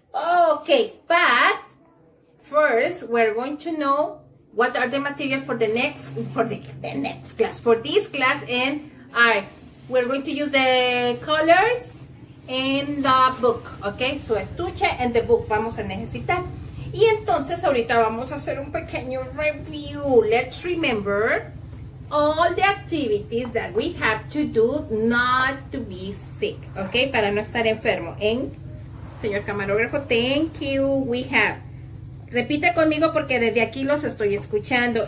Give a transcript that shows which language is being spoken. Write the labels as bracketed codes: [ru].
[en] Okay, but first, we're going to know what are the materials for the next class, for this class, and we're going to use the colors and the book, okay? So, estuche and the book [es] vamos a necesitar. Y entonces, ahorita vamos a hacer un pequeño review. [en] Let's remember all the activities that we have to do not to be sick, okay? [es] Para no estar enfermo. And, señor camarógrafo, [en] thank you. We have, [es] repite conmigo porque desde aquí los estoy escuchando.